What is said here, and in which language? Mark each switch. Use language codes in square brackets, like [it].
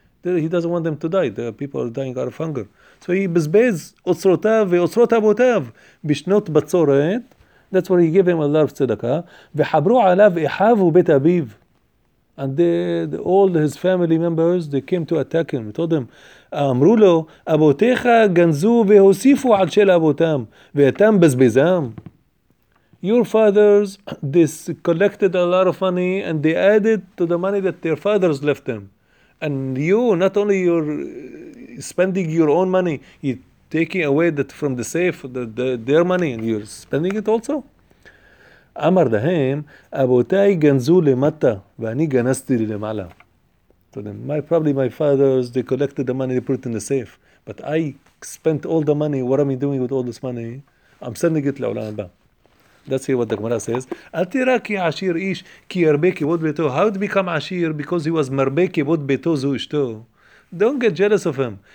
[en] He doesn't want them to die. The people are dying out of hunger. So he [he] bezbez otzrotav ve'otzrot abotav bishnot batzoret. [en] That's where he gave him a lot of tzedakah. [he] V'habru alav ehav u'bet abiv. [en] And all his family members, they came to attack him. He told them, [he] אמרו לו, אבותיך גנזו והוסיפו על של אבותם, ואתם בזבזם. [en] Your fathers, they collected a lot of money and they added to the money that their fathers left them. And you, not only you're spending your own money, you're taking away that from the safe, their money, and you're spending it also. [he] אמר להם, אבותיי גנזו למטה, ואני גנזתי למעלה. [en] to them. My father's, they collected the money, they put it in the safe. But I spent all the money. What am I doing with all this money? I'm sending it to Olam Haba. Let's hear what the Gemara says. [he] Al tira ki ashir ish ki erbeki bod beto. [en] How did he become [he] ashir? [en] Because he was [he] merbeki bod beto zu ishto. [en] Don't get jealous of him.